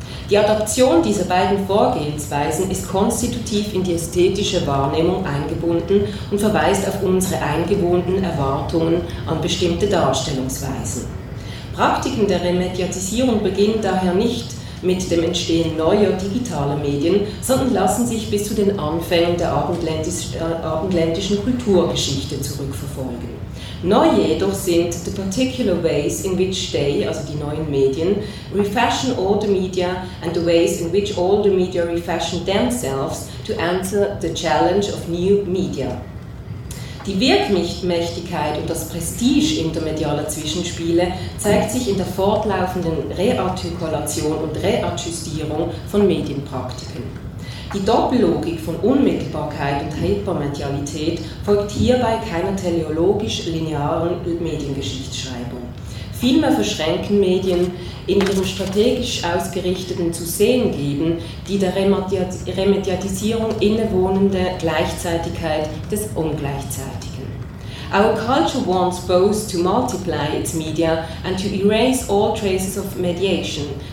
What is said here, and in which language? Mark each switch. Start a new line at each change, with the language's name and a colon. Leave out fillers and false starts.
German: Die Adaption dieser beiden Vorgehensweisen ist konstitutiv in die ästhetische Wahrnehmung eingebunden und verweist auf unsere eingewohnten Erwartungen an bestimmte Darstellungsweisen. Praktiken der Remediatisierung beginnen daher nicht mit dem Entstehen neuer digitaler Medien, sondern lassen sich bis zu den Anfängen der abendländischen Kulturgeschichte zurückverfolgen. Neu jedoch sind
English: the particular ways in which they,
German: also die neuen Medien,
English: refashion older media and the ways in which older media refashion themselves to answer the challenge of new media.
German: Die Wirkmächtigkeit und das Prestige intermedialer Zwischenspiele zeigt sich in der fortlaufenden Reartikulation und Readjustierung von Medienpraktiken. Die Doppellogik von Unmittelbarkeit und Hypermedialität folgt hierbei keiner teleologisch-linearen Mediengeschichtsschreibung. Vielmehr verschränken Medien in ihrem strategisch ausgerichteten Zusehengeben die der Remediatisierung innewohnende Gleichzeitigkeit des Ungleichzeitigen.
English: Our culture wants both to multiply its media and to erase all traces of mediation.